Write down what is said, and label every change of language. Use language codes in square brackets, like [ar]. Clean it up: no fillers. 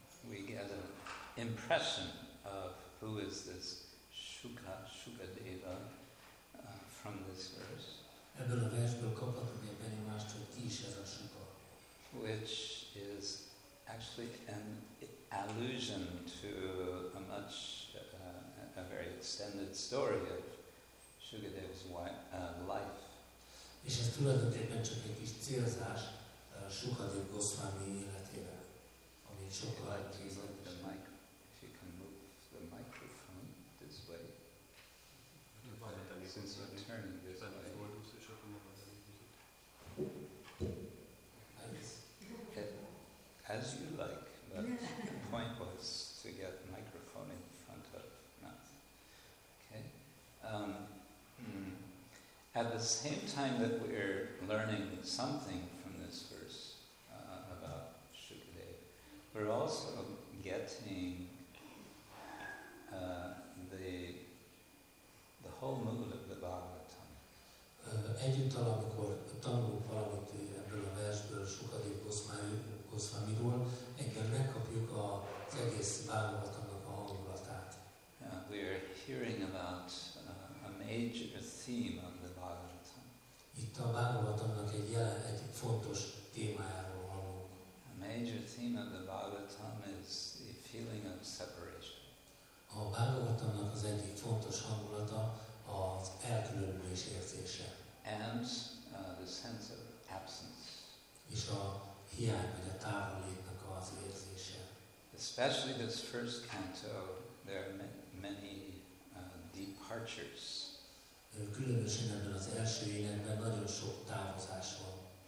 [en] We get an impression of who is this Shuka, Sukadeva from this verse. [hu] Ebből a versből kaphatunk egy benyomást, hogy ki is ez a Shuka. [en] Which is actually an allusion to a much, a very extended story of Sukadeva's life. [hu] És ez tulajdonképpen csak egy kis célzás Sukadeva Gószvámi életére, ami sokkal bővebb. [en] If you can move the microphone this way. Since you're turning this way. As as you like, but the point was to get microphone in front of mouth. Okay. At the same time that we're learning something from this verse about Shukadeva, we're also getting the whole mood of the Bhagavatam. [hu] Egyúttal, amikor tanulunk valamit ebből a versből, Shukadeva Goswamiról, engem megkapjuk az egész Bhagavatamnak a hangulatát. [en] We are hearing about a major theme of the Bhagavatam. [hu] Itt a Bhagavatamnak egy fontos témájáról hallunk. [en] A major theme of the Bhagavatam is the feeling of separation. [hu] A Bhagavatamnak az egyik fontos hangulata az elkülönülés érzése. [en] And the sense of absence. [hu] És a hiány, vagy a távollétnek az érzése. [en] Especially this first canto, there are many departures. [hu] Különösen ebben az első énekben nagyon sok távozás van.